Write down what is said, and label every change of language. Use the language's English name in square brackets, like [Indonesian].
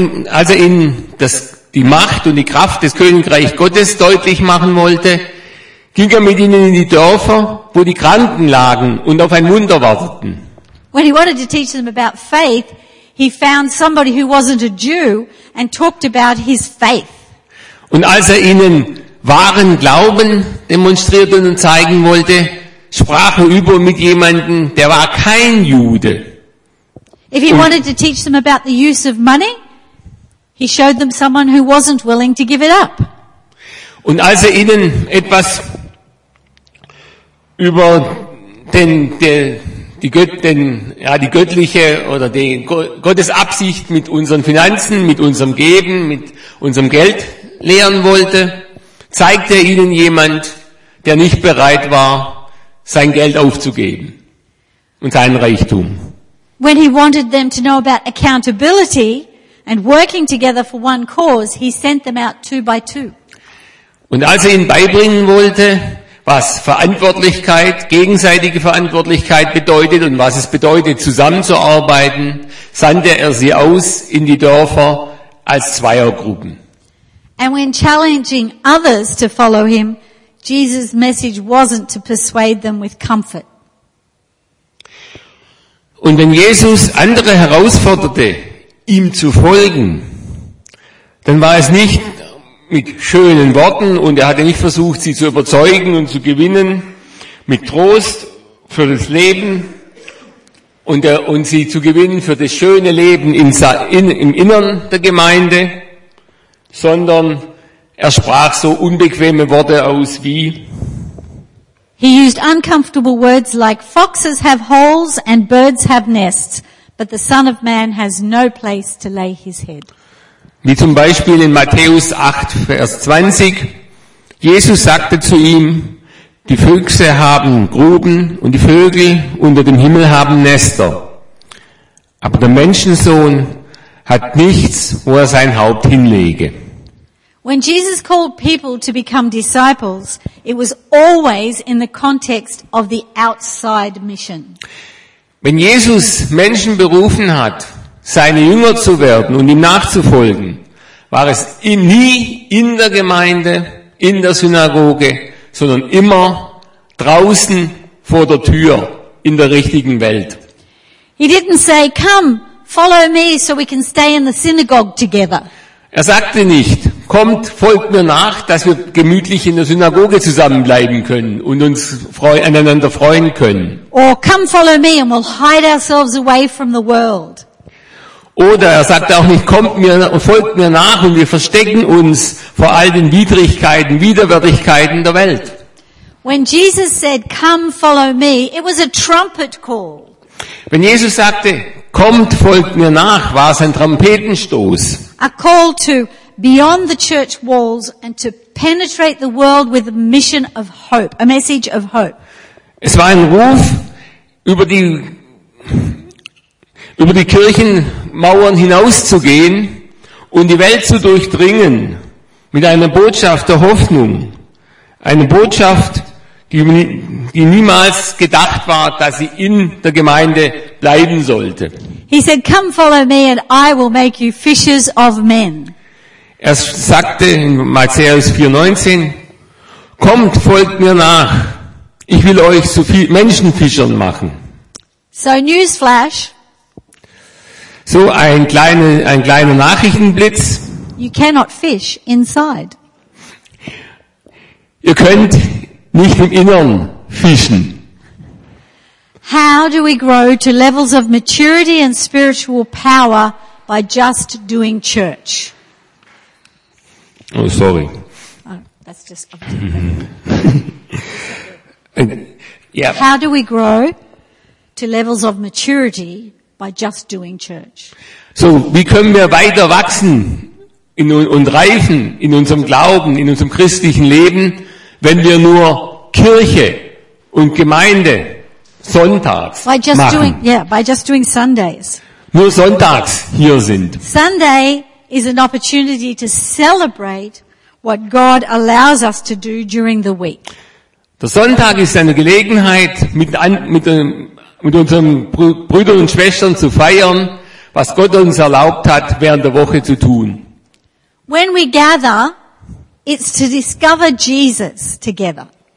[German] Als er ihnen die Macht und die Kraft des Königreich Gottes deutlich machen wollte, ging er mit ihnen in die Dörfer, wo die Kranken lagen und auf ein Wunder warteten. [English] When he wanted to teach them about faith, he found somebody who wasn't a Jew and talked about his faith. [German] Und als er ihnen wahren Glauben demonstrierte und zeigen wollte, sprach er über mit jemandem, der war kein Jude. [English] If he wanted to teach them about the use of money, he showed them someone who wasn't willing to give it up. [German] Und als er ihnen etwas über die göttliche oder die Gottes Absicht mit unseren Finanzen, mit unserem Geben, mit unserem Geld lehren wollte, zeigte er ihnen jemand, der nicht bereit war, sein Geld aufzugeben und seinen Reichtum. [English] When he wanted them to know about accountability and working together for one cause, he sent them out two by two. [German] Und als er ihnen beibringen wollte, was Verantwortlichkeit, gegenseitige Verantwortlichkeit bedeutet und was es bedeutet, zusammenzuarbeiten, sandte er sie aus in die Dörfer als Zweiergruppen. [English] And when challenging others to follow him, Jesus' message wasn't to persuade them with comfort. [German] Und wenn Jesus andere herausforderte, ihm zu folgen, dann war es nicht mit schönen Worten und er hatte nicht versucht, sie zu überzeugen und zu gewinnen, mit Trost für das Leben und sie zu gewinnen für das schöne Leben im Innern der Gemeinde, sondern er sprach so unbequeme Worte aus wie: [English] He used uncomfortable words like foxes have holes and birds have nests, but the Son of Man has no place to lay his head. [German] Wie zum Beispiel in Matthäus 8, Vers 20. Jesus sagte zu ihm, die Füchse haben Gruben und die Vögel unter dem Himmel haben Nester. Aber der Menschensohn hat nichts, wo er sein Haupt hinlege. [English] When Jesus called people to become disciples, it was always in the context of the outside mission. [German] Wenn Jesus Menschen berufen hat, seine Jünger zu werden und ihm nachzufolgen, war es nie in der Gemeinde, in der Synagoge, sondern immer draußen vor der Tür in der richtigen Welt. [English] He didn't say, "Come, follow me, so we can stay in the synagogue together." [German] Er sagte nicht, kommt, folgt mir nach, dass wir gemütlich in der Synagoge zusammenbleiben können und uns aneinander freuen können. [English] Or come follow me and we'll hide ourselves away from the world. [German] Oder er sagt auch nicht, kommt mir und folgt mir nach und wir verstecken uns vor all den Widrigkeiten, Widerwärtigkeiten der Welt. [English] When Jesus said, come follow me, it was a trumpet call. [German] Wenn Jesus sagte, kommt, folgt mir nach, war es ein Trompetenstoß. [English] A call to beyond the church walls and to penetrate the world with a mission of hope, a message of hope. [German] Es war ein Ruf über die Kirchenmauern hinauszugehen und die Welt zu durchdringen mit einer Botschaft der Hoffnung, eine Botschaft, die niemals gedacht war, dass sie in der Gemeinde bleiben sollte. [English] He said, "Come follow me and I will make you fishers of men." [German] Er sagte in Matthäus 4,19, kommt, folgt mir nach, ich will euch zu Menschenfischern machen. [English] So, Newsflash. [German] So, ein kleiner Nachrichtenblitz. [English] You cannot fish inside. [German] Ihr könnt nicht im Inneren fischen. [English] How do we grow to levels of maturity and spiritual power by just doing church? Oh, sorry. That's just up to you. Yeah. How do we grow to levels of maturity by just doing church? [German] So, wie können wir weiter wachsen und reifen in unserem Glauben, in unserem christlichen Leben, wenn wir nur Kirche und Gemeinde sonntags [English] by just [German] machen? [English] Doing, yeah, by just doing Sundays. [German] Nur sonntags hier sind. [English] Sunday is an opportunity to celebrate what God allows us to do during the week. [German] Der Sonntag ist eine Gelegenheit, mit unseren Brüdern und Schwestern zu feiern, was Gott uns erlaubt hat, während der Woche zu tun. [English] When we gather, it's to discover Jesus together.